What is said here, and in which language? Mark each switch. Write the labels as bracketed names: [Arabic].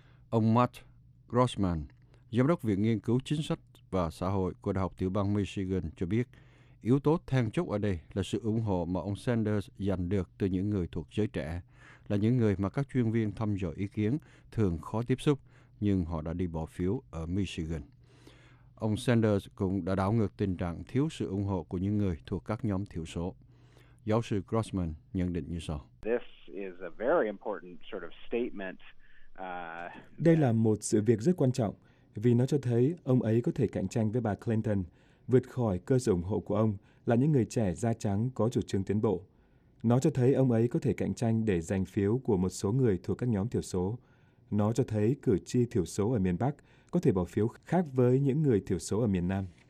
[Vietnamese] Ông Matt Grossman, Giám đốc Viện Nghiên cứu Chính sách và Xã hội của Đại học Tiểu bang Michigan cho biết, yếu tố then chốt ở đây là sự ủng hộ mà ông Sanders giành được từ những người thuộc giới trẻ, là những người mà các chuyên viên thăm dò ý kiến thường khó tiếp xúc, nhưng họ đã đi bỏ phiếu ở Michigan. Ông Sanders cũng đã đảo ngược tình trạng thiếu sự ủng hộ của những người thuộc các nhóm thiểu số. Giáo sư Grossman nhận định như sau. [English] This is a very important sort of statement. [Vietnamese] Đây là một sự việc rất quan trọng, vì nó cho thấy ông ấy có thể cạnh tranh với bà Clinton, vượt khỏi cơ sở ủng hộ của ông là những người trẻ da trắng có chủ trương tiến bộ. Nó cho thấy ông ấy có thể cạnh tranh để giành phiếu của một số người thuộc các nhóm thiểu số. Nó cho thấy cử tri thiểu số ở miền Bắc có thể bỏ phiếu khác với những người thiểu số ở miền Nam.